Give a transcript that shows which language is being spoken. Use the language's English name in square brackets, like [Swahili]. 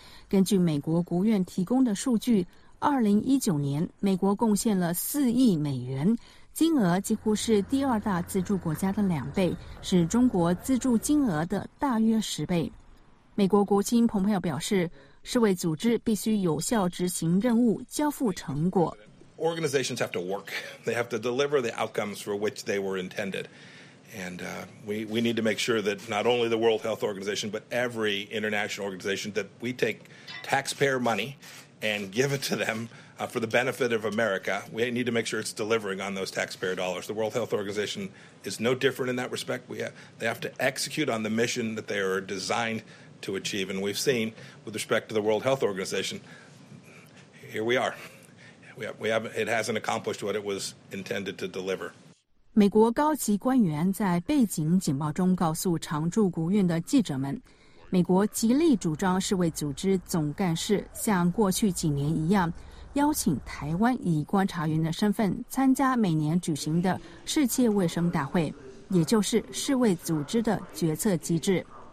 [Chinese] 根据美国国务院提供的数据，2019年美国贡献了4亿美元，金额几乎是第二大资助国家的2倍，是中国资助金额的大约10倍。美国国务卿蓬佩奥表示，世卫组织必须有效执行任务，交付成果。 [English] Organizations have to work. They have to deliver the outcomes for which they were intended. And we need to make sure that not only the World Health Organization, but every international organization, that we take taxpayer money and give it to them, for the benefit of America. We need to make sure it's delivering on those taxpayer dollars. The World Health Organization is no different in that respect. They have to execute on the mission that they are designed to achieve. And we've seen, with respect to the World Health Organization, here we are. It hasn't accomplished what it was intended to deliver. [Chinese] 美国高级官员在背景简报中告诉常驻国务院的记者们，美国极力主张世卫组织总干事像过去几年一样，邀请台湾以观察员的身份参加每年举行的世界卫生大会，也就是世卫组织的决策机制。